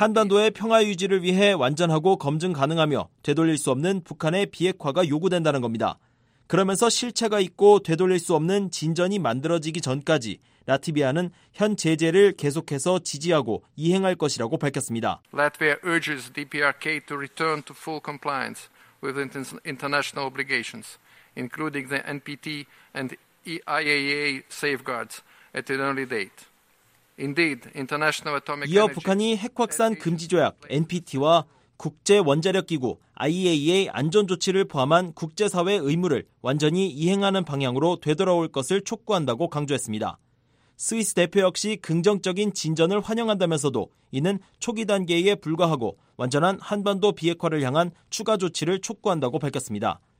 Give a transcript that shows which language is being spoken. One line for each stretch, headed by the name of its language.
Korean: 한반도의 평화 유지를 위해 완전하고 검증 가능하며 되돌릴 수 없는 북한의 비핵화가 요구된다는 겁니다. 그러면서 실체가 있고 되돌릴 수 없는 진전이 만들어지기 전까지 라트비아는 현 제재를 계속해서 지지하고 이행할 것이라고 밝혔습니다.
English: Latvia urges DPRK to return to full compliance with international obligations, including the NPT and IAEA safeguards at an early date. Indeed, international atomic energy.
Korean: 이어 북한이 핵 확산 금지 조약 NPT와 국제 원자력 기구 IAEA 안전 조치를 포함한 국제 사회 의무를 완전히 이행하는 방향으로 되돌아올 것을 촉구한다고 강조했습니다. 스위스 대표 역시 긍정적인 진전을 환영한다면서도 이는 초기 단계에 불과하고 완전한 한반도 비핵화를 향한 추가 조치를 촉구한다고 밝혔습니다.